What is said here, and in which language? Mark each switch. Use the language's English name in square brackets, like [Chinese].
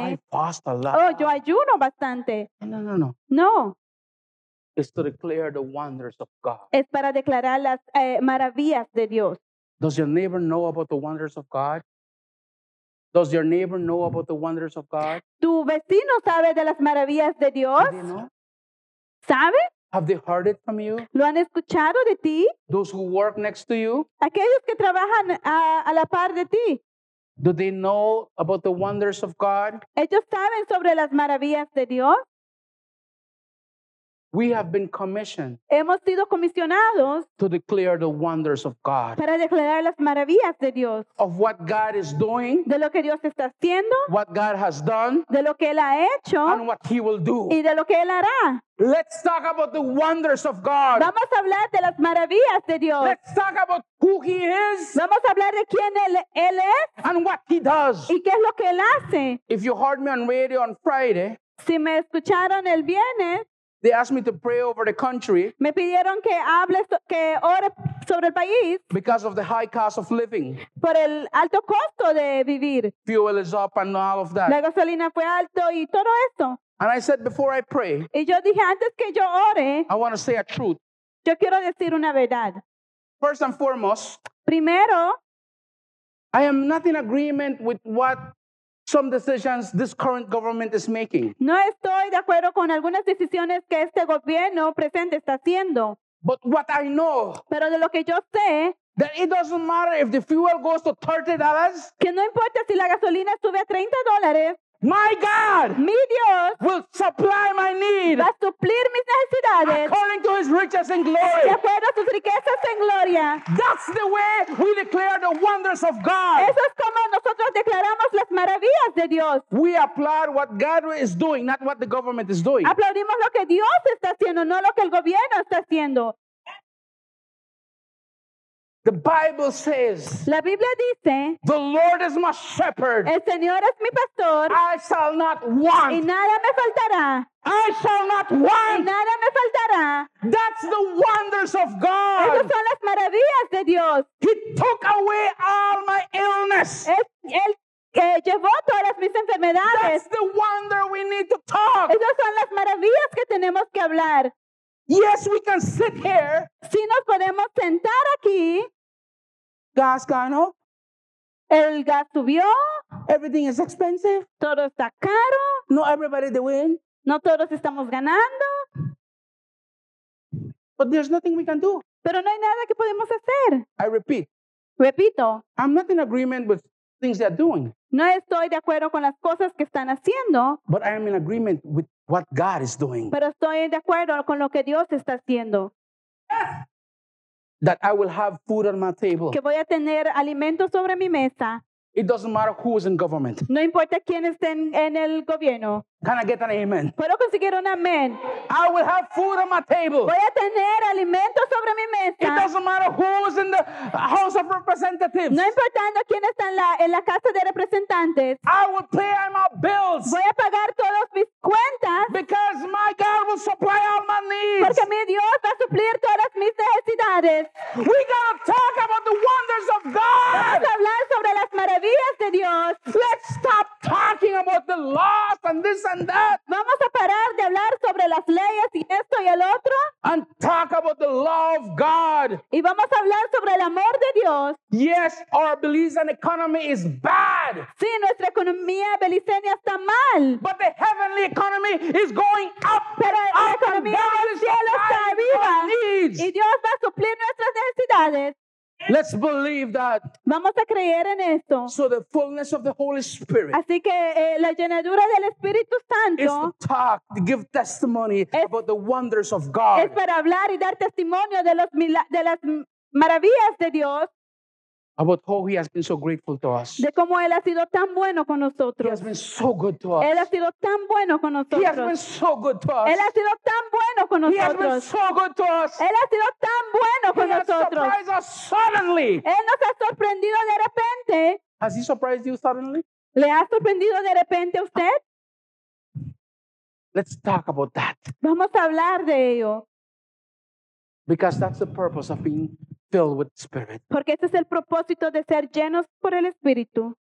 [English] I fast a lot. [Spanish] Oh, yo ayuno bastante. [English] No. It's to declare the wonders of God. [Spanish] Es para declarar las maravillas de Dios. [English] Does your neighbor know about the wonders of God? Does your neighbor know about the wonders of God? [Spanish] ¿Tu vecino sabe de las maravillas de Dios? ¿Sabe? [English] Have they heard it from you? [Spanish] ¿Lo han escuchado de ti? [English] Those who work next to you? [Spanish] Aquellos que trabajan a la par de ti. [English] Do they know about the wonders of God? [Spanish] ¿Ellos saben sobre las maravillas de Dios? [English] We have been commissioned. [Spanish] Hemos sido comisionados. [English] To declare the wonders of God. [Spanish] Para declarar las maravillas de Dios. [English] Of what God is doing. [Spanish] De lo que Dios está haciendo. [English] What God has done. [Spanish] De lo que Él ha hecho. [English] And what He will do. [Spanish] Y de lo que Él hará. [English] Let's talk about the wonders of God. [Spanish] Vamos a hablar de las maravillas de Dios. [English] Let's talk about who He is. [Spanish] Vamos a hablar de quién Él es. [English] And what He does. [Spanish] Y qué es lo que Él hace. [English] If you heard me on radio on Friday. [Spanish] Si me escucharon el viernes. [English] They asked me to pray over the country. [Spanish] Me pidieron que hable, que ore sobre el país. [English] Because of the high cost of living. [Spanish] Por el alto costo de vivir. [English] Fuel is up and all of that. [Spanish] La gasolina fue alto y todo esto. [English] And I said before I pray. [Spanish] Y yo dije antes que yo ore. [English] I want to say a truth. [Spanish] Yo quiero decir una verdad. [English] First and foremost. [Spanish] Primero. [English] I am not in agreement with what some decisions this current government is making. [Spanish] No estoy de acuerdo con algunas decisiones que este gobierno presente está haciendo. [English] But what I know. [Spanish] Pero de lo que yo sé. [English] That it doesn't matter if the fuel goes to $30. [Spanish] Que no importa si la gasolina sube a $30. [English] My God. [Spanish] Mi Dios. [English] Will supply my need. [Spanish] Va a suplir mis necesidades. [English] According to His riches and glory. [Spanish] De acuerdo a sus riquezas en gloria. [English] That's the way we declare the wonders of God. [Spanish] Eso es como nosotros declaramos las maravillas de Dios. [English] We applaud what God is doing, not what the government is doing. [Spanish] Aplaudimos lo que Dios está haciendo, no lo que el gobierno está haciendo. [English] The Bible says, [Spanish] la Biblia dice, [English] the Lord is my shepherd. [Spanish] El Señor es mi pastor. [English] I shall not want. [Spanish] Y nada me faltará. [English] I shall not want. [Spanish] Y nada me faltará. [English] That's the wonders of God. [Spanish] Esas son las maravillas de Dios. [English] He took away all my illness. [Spanish] Él llevó todas mis enfermedades. [English] That's the wonder we need to talk. [Spanish] Esas son las maravillas que tenemos que hablar. [English] Yes, we can sit here. [Spanish] Si nos podemos sentar aquí. Gas ganó. El gas subió. [English] Everything is expensive. [Spanish] Todo está caro. [English] No everybody the win. [Spanish] No todos estamos ganando. [English] But there's nothing we can do. [Spanish] Pero no hay nada que podemos hacer. [English] I repeat. [Spanish] Repito. [English] I'm not in agreement with things they're doing. [Spanish] No estoy de acuerdo con las cosas que están haciendo. [English] But I am in agreement with what God is doing. [Spanish] Pero estoy de acuerdo con lo que Dios está haciendo. [English] That I will have food on my table. [Spanish] Que voy a tener alimento sobre mi mesa. [English] It doesn't matter who is in government. [Spanish] No importa quién esté en el gobierno. [English] Can I get an amen? [Spanish] ¿Puedo conseguir un amen? [English] I will have food on my table. [Spanish] Voy a tener alimento sobre mi mesa. [English] It doesn't matter who is in the House of Representatives. [Spanish] No importando quién está en la Casa de Representantes. [English] I will pay all my bills. [Spanish] Voy a pagar todas mis cuentas. [English] Because my God will supply all my needs. [Spanish] Porque mi Dios va a suplir todas mis necesidades. [English] We gotta talk about the wonders of God. [Spanish] Vamos a hablar sobre las maravillas de Dios. [English] Let's stop talking about the lost and this and that. [Spanish] Vamos a parar de hablar sobre las leyes y esto y el otro. [English] And talk about the law of God. [Spanish] Y vamos a hablar sobre el amor de Dios. [English] Yes, our Belize and economy is bad. [Spanish] Sí, nuestra economía beliceña está mal. [English] But the heavenly economy is going up. [Spanish] Pero la economía del cielo está viva. Y Dios va a suplir nuestras necesidades. [English] Let's believe that. [Spanish] Vamos a creer en esto. [English] So the fullness of the Holy Spirit. [Spanish] Así que la llenadura del Espíritu Santo. [English] Is to talk, to give testimony about the wonders of God. [Spanish] Es para hablar y dar testimonio de las maravillas de Dios. [English] About how he has been so grateful to us. [Spanish] De cómo él ha sido tan bueno con nosotros. [English] He has been so good to us. [Spanish] Él ha sido tan bueno con nosotros. [English] He has been so good to us. [Spanish] Él ha sido tan bueno con nosotros. [English] He has been so good to us. [Spanish] Él ha sido tan bueno con nosotros. [English] He has surprised us suddenly. [Spanish] Él nos ha sorprendido de repente. [English] Has he surprised you suddenly? [Spanish] ¿Le ha sorprendido de repente a usted? [English] Let's talk about that. [Spanish] Vamos a hablar de ello. [English] Because that's the purpose of being filled with Spirit. [Spanish] Porque ese es el propósito de ser llenos por el Espíritu.